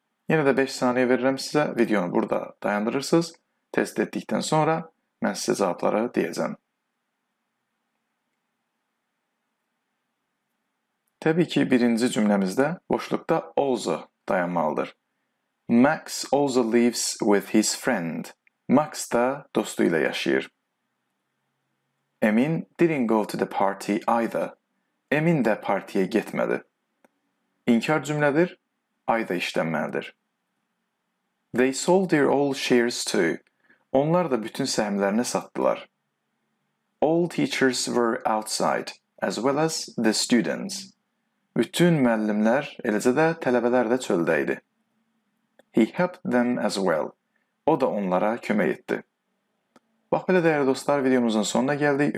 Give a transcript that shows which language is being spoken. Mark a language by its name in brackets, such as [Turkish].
[Azerbaijani] Yenə də 5 saniyə verirəm sizə, videonu burada dayandırırsınız. Test etdikdən sonra mən sizə cavabları deyəcəm. Təbii ki, birinci cümləmizdə boşluqda also dayanmalıdır. [English] Max also lives with his friend. [Azerbaijani] Max da dostu ilə yaşayır. [English] Emin didn't go to the party either. [Azerbaijani] Emin də partiyə getmədi. İnkar cümlədir, either işlənməlidir. [English] They sold their all shares too. [Azerbaijani] Onlar da bütün səhmlərini satdılar. [English] All teachers were outside, as well as the students. [Azerbaijani] Bütün müəllimlər, eləcə də tələbələr də çöldə idi. [English] He helped them as well. [Azerbaijani] O da onlara kömək etdi. Bax belə dəyərli dostlar, videomuzun sonuna gəldik.